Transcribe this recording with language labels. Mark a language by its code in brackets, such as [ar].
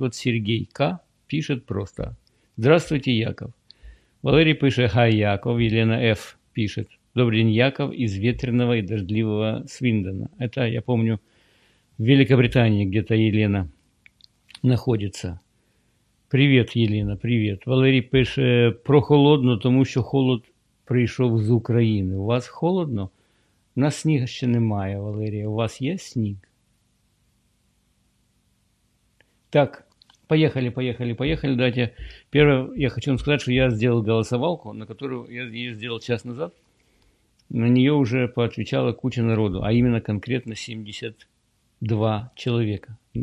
[ru] Вот Сергей К. пишет просто. Здравствуйте, Яков. Валерий пишет. Хай, Яков. Елена Ф. пишет. Добрый день, Яков, из ветреного и дождливого Свиндона. Это, я помню, в Великобритании где-то Елена находится. Привет, Елена, привет. Валерий пишет, [uk] прохолодно, тому що холод прийшов з України. У вас холодно? У нас снега ще немає, Валерія. У вас є сніг? [ru] Так, поехали, поехали, поехали. Давайте. Первое, я хочу вам сказать, что я сделал голосовалку, на которую я ее сделал час назад. На нее уже поотвечала куча народу, а именно конкретно 72 человека.